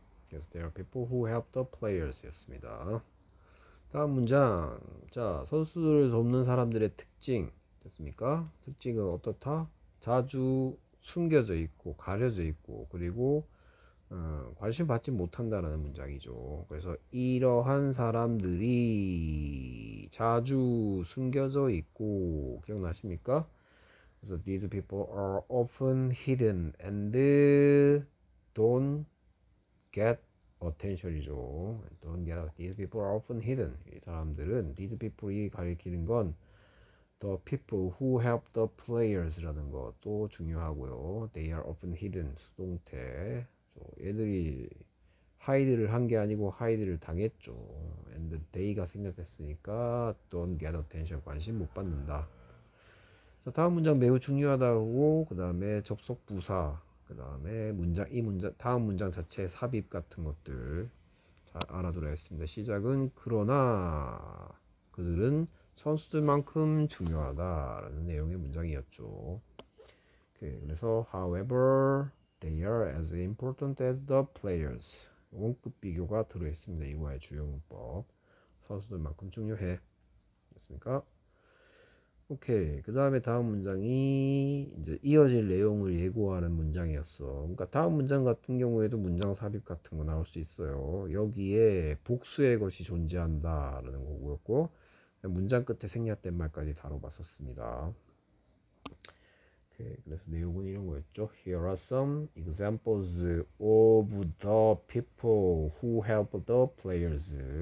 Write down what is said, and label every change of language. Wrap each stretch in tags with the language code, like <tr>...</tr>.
<en>Yes, there are people who help the players.</en> <ko>였습니다. 다음 문장. 자, 선수들을 돕는 사람들의 특징. 됐습니까? 특징은 어떻다? 자주 숨겨져 있고, 가려져 있고, 그리고, 관심 받지 못한다라는 문장이죠. 그래서 이러한 사람들이 자주 숨겨져 있고, 기억나십니까? 그래서</ko> <en>these people are often hidden and don't get attention이죠. Don't get these people are often hidden.</en> <ko>이 사람들은</ko> <en>these people이</en> <ko>가리키는 건</ko> <en>the people who help the players</en> <ko>라는 것도 중요하고요.</ko> <en>They are often hidden</en> <ko>수동태. 얘들이 하이드를 한게 아니고 하이드를 당했죠.</ko> <en>And they가</en> <ko>생략됐으니까</ko> <en>don't get attention,</en> <ko>관심 못 받는다. 자, 다음 문장 매우 중요하다고, 그 다음에 접속 부사, 그 다음에 문장, 이 문장, 다음 문장 자체 삽입 같은 것들 잘 알아두라겠습니다. 시작은 그러나 그들은 선수들만큼 중요하다라는 내용의 문장이었죠. 오케이, 그래서</ko> <en>however, they are as important as the players.</en> <ko>원급 비교가 들어있습니다. 이거의 주요 문법. 선수들만큼 중요해. 됐습니까? 오케이. 그 다음에 다음 문장이 이제 이어질 내용을 예고하는 문장이었어. 그러니까 다음 문장 같은 경우에도 문장 삽입 같은 거 나올 수 있어요. 여기에 복수의 것이 존재한다라는 거였고, 문장 끝에 생략된 말까지 다뤄봤었습니다. 오케이, 그래서 내용은 이런 거였죠.</ko> <en>Here are some examples of the people who help the players.</en>